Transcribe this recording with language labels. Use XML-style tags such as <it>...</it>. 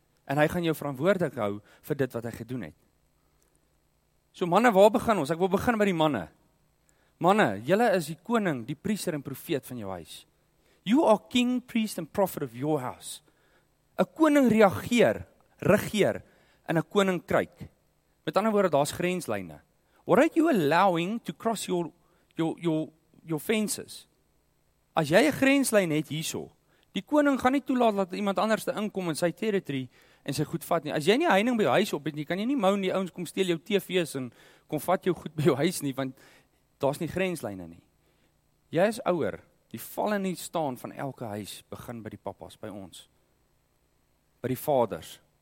<af>En hy gaan jou verantwoordelik hou vir dit wat hy gedoen het. So manne, waar begin ons? Ek wil begin by die manne. Manne, julle is die koning, die priester en profeet van jou huis.</af> <en>You are king, priest and prophet of your house.</en> <af>'N koning regeer in 'n koninkryk. Met ander woorde, daar's grenslyne.</af> <en>What are you allowing to cross your fences.</en> <af>As jy 'n grenslyn het hierso, die koning gaan nie toelaat dat iemand anders te inkom in sy territory en sy goed vat nie. As jy nie heining by jou huis op het nie, kan jy nie mou en die ouens kom steel jou TV's en kom vat jou goed by jou huis nie, want daar's nie grenslyne nie. Jy is ouer. Die val en die staan van elke huis begin by die papas, by ons. By die vaders.</af>